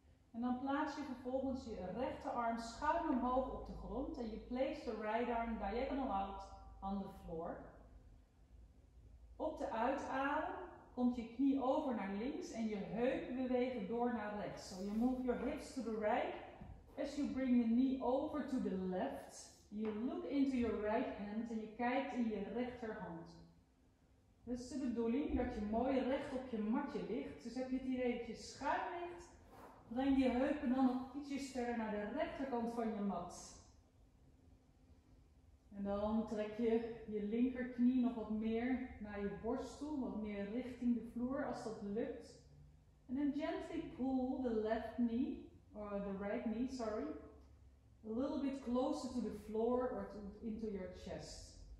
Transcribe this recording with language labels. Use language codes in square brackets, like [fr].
[nl] En dan plaats je vervolgens je rechterarm schuin omhoog op de grond. En je [en] place the right arm diagonal out on the floor. [nl] Op de uitadem komt je knie over naar links en je heupen bewegen door naar rechts. [en] So you move your hips to the right as you bring the knee over to the left. You look into your right hand [nl] en je kijkt in je rechterhand. Dat is de bedoeling dat je mooi recht op je matje ligt. Dus heb je het idee dat je schuin ligt, breng je heupen dan nog ietsjes verder naar de rechterkant van je mat. En dan trek je je linkerknie nog wat meer naar je borst toe, wat meer richting de vloer als dat lukt. En dan [en] gently pull the left knee, or the right knee, sorry, a little bit closer to the floor or into your chest.